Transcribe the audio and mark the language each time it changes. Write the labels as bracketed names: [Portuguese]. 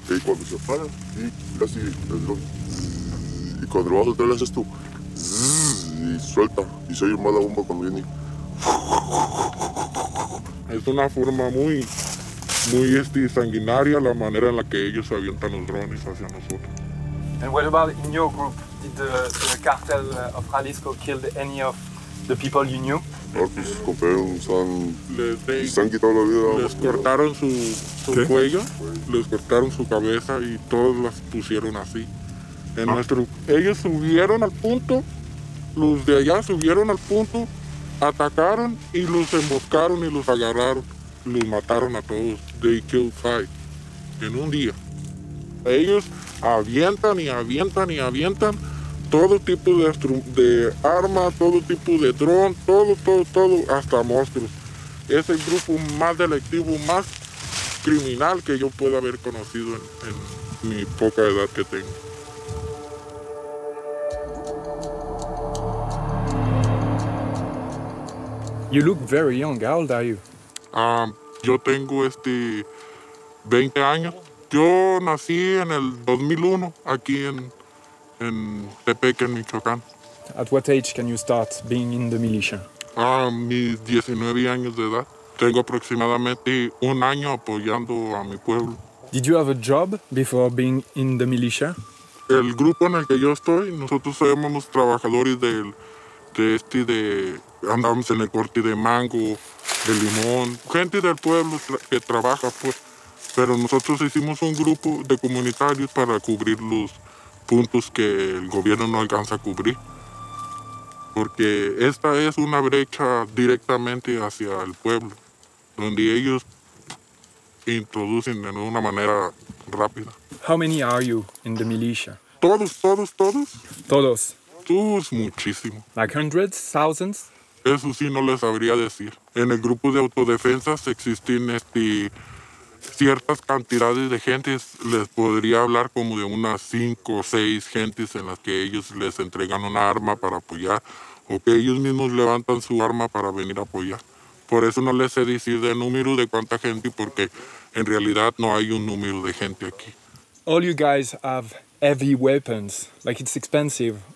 [Spanish] y cuando se para, y así el dron. Y cuando lo vas a soltar, le haces tú y suelta y se oye más la bomba cuando viene. Es una forma muy, muy sanguinaria la manera en la que ellos avientan los drones hacia nosotros. [English] And what about in your group? Did the cartel of Jalisco kill any of the people you knew? [Spanish] No, mis compañeros han quitado la vida. Les cortaron su cuello, les cortaron su cabeza y todos las pusieron así. En nuestro, ellos subieron al punto, los de allá subieron al punto, atacaron y los emboscaron y los agarraron. Los mataron a todos. [English] They killed 5 [Spanish] en un día. Ellos avientan y avientan y avientan, todo tipo de arma, todo tipo de dron, todo, hasta monstruos. Es el grupo más delictivo, más criminal que yo pueda haber conocido en mi poca edad que tengo. [English] You look very young. How old are you? [Spanish] Yo tengo 20 años. Yo nací en el 2001 aquí en Tepeque, en Michoacán. [English] At what age can you start being in the militia? [Spanish] Mis 19 años de edad. Tengo aproximadamente un año apoyando a mi pueblo. [English] Did you have a job before being in the militia? [Spanish] El grupo en el que yo estoy, nosotros somos trabajadores de andamos en el corte de mango, de limón, gente del pueblo que trabaja, pues. Pero nosotros hicimos un grupo de comunitarios para cubrir los puntos que el gobierno no alcanza a cubrir. Porque esta es una brecha directamente hacia el pueblo, donde ellos introducen de una manera rápida. [English] How many are you in the militia? [Spanish] Todos. Todos. Todos, muchísimo. [English] Like hundreds, thousands? [Spanish] Eso sí no les sabría decir. En el grupo de autodefensas existen ciertas cantidades de gentes. Les podría hablar como de unas 5 o 6 gentes en las que ellos les entregan una arma para apoyar o que ellos mismos levantan su arma para venir a apoyar. Por eso no les sé decir de número de cuánta gente, porque en realidad no hay un número de gente aquí. [English] All you guys have heavy weapons, like it's expensive.